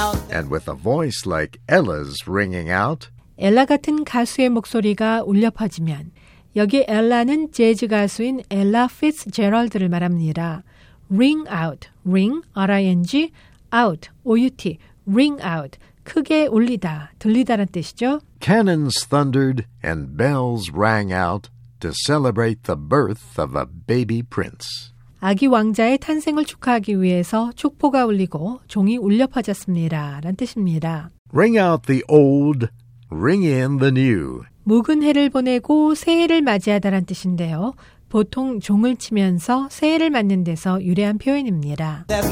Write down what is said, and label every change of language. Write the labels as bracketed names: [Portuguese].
[English] And with a voice like Ella's ringing out. [Korean] 엘라 같은 가수의 목소리가 울려 퍼지면 여기 엘라는 재즈 가수인 엘라 피츠제럴드를 말합니다. [English] Ring out, ring, R-I-N-G, out, O-U-T, ring out, [Korean] 크게 울리다, 들리다란 뜻이죠. [English] Cannons thundered and bells rang out to celebrate the birth of a baby prince. [Korean] 아기 왕자의 탄생을 축하하기 위해서 축포가 울리고 종이 울려 퍼졌습니다, 라는 뜻입니다. [English] Ring out the old, ring in the new. [Korean] 묵은 해를 보내고 새해를 맞이하다란 뜻인데요. 보통 종을 치면서 새해를 맞는 데서 유래한 표현입니다.